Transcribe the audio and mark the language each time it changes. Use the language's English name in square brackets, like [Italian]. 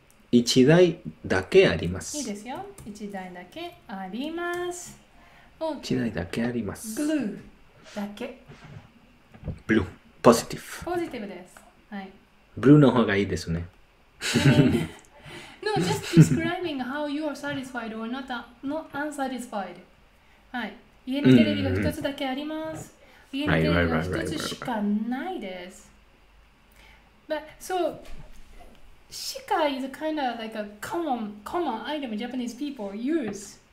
[Japanese] 一台だけあります。いいですよ。一台だけあります。お、一台だけあります。ブルーだけ。ブルー、ポジティブ。ポジティブです。はい。ブルーの方がいいですね。 [English] No, just describing how you are satisfied or not unsatisfied. [Japanese] はい。家にテレビが一つだけあります。家にテレビが一つしかないです。 [English] But, so, しか is kind of like a common item Japanese people use.